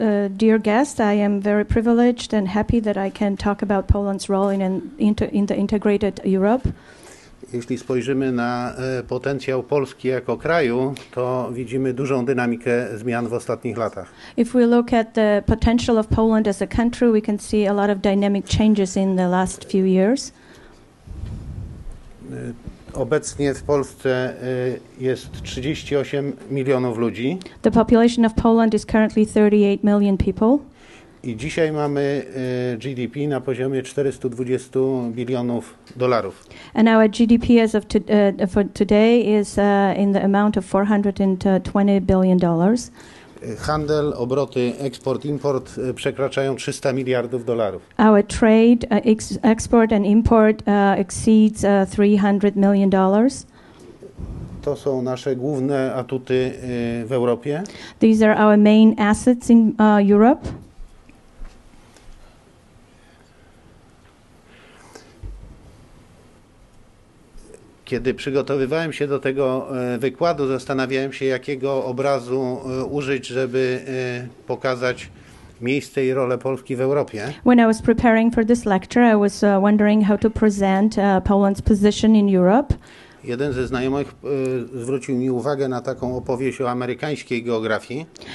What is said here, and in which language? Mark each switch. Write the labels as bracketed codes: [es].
[en] Dear guest, I am very privileged and happy that I can talk about Poland's role in the integrated Europe. [pl] Jeśli spojrzymy na potencjał Polski jako kraju, to widzimy dużą dynamikę zmian w ostatnich latach. [en] If we look at the potential of Poland as a country, we can see a lot of dynamic changes in the last few years. [pl] Obecnie w Polsce jest 38 milionów ludzi. [en] The population of Poland is currently 38 million people. [pl] I dzisiaj mamy GDP na poziomie 420 bilionów dolarów. [en] And our GDP as of for today is in the amount of 420 billion dollars. [pl] Handel, obroty, eksport, import przekraczają 300 miliardów dolarów. [en] Our trade, export and import exceeds 300 million dollars. [pl] To są nasze główne atuty w Europie. [en] These are our main assets in Europe. [pl] Kiedy przygotowywałem się do tego wykładu, zastanawiałem się, jakiego obrazu użyć, żeby pokazać miejsce i rolę Polski w Europie. [en] When I was preparing for this lecture, I was wondering how to present Poland's position in Europe. [pl] Jeden ze znajomych zwrócił mi uwagę na taką opowieść o amerykańskiej geografii.